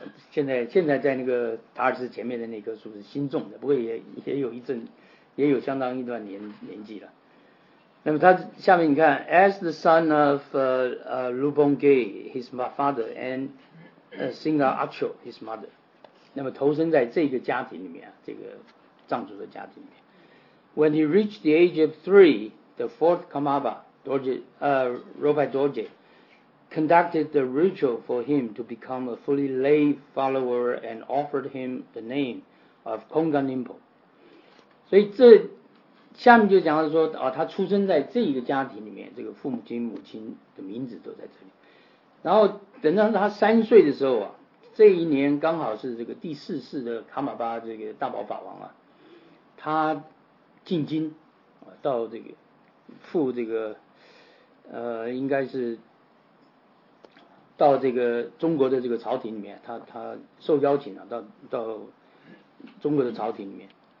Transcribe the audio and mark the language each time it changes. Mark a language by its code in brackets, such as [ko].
[zh] 现在在那个塔尔寺前面的那棵树是新种的，不过也有一阵，也有相当一段年纪了。那么他下面你看 ， [en] as the son of Lubongay, his father, and Singa Acho, his mother. [zh] 那么投身在这个家庭里面啊，这个藏族的家庭里面。 [en] When he reached the age of three, the fourth Kamaba, Rupai Dorje, conducted the ritual for him to become a fully lay follower and offered him the name of Kongan Nimpo. [zh] 所以这下面就讲到说，他出生在这一个家庭里面，这个父母亲、母亲的名字都在这里。然后等到他三岁的时候啊，这一年刚好是这个第四世的卡玛巴这个大宝法王啊，他进京到这个赴这个应该是到这个中国的这个朝廷里面，他受邀请了、啊、到中国的朝廷里面。